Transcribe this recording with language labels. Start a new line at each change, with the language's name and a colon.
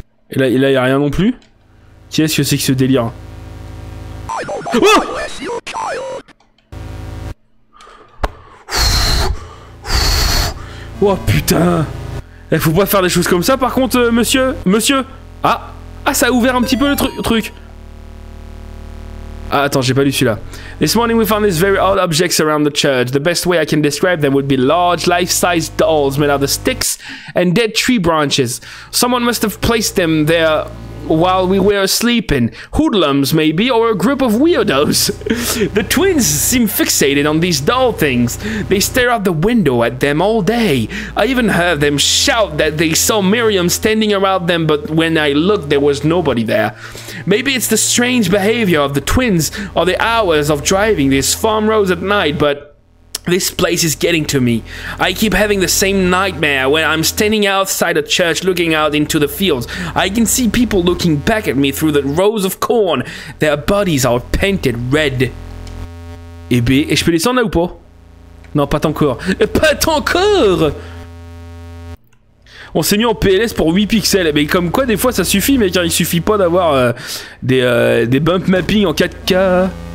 French: Et là, y'a rien non plus? Qu'est-ce que c'est que ce délire? Oh! Oh putain! Eh, faut pas faire des choses comme ça par contre, monsieur! Monsieur! Ah! Ah, ça a ouvert un petit peu le truc! Ah, attends, j'ai pas lu celui-là.
English: This morning we found these very odd objects around the church. The best way I can describe them would be large, life-sized dolls made out of sticks and dead tree branches. Someone must have placed them there while we were sleeping. Hoodlums, maybe, or a group of weirdos. The twins seem fixated on these doll things. They stare out the window at them all day. I even heard them shout that they saw Miriam standing around them, but when I looked, there was nobody there. Maybe it's the strange behavior of the twins or the hours of driving these farm roads at night, but this place is getting to me. I keep having the same nightmare when I'm standing outside a church looking out into the fields. I can see people looking back at me through the rows of corn. Their bodies are painted red.
French: Eh bien, et je peux descendre là ou pas? Non, pas encore. Pas encore! On s'est mis en PLS pour 8 pixels. Mais comme quoi, des fois, ça suffit, mec. Il suffit pas d'avoir des bump mapping en 4K.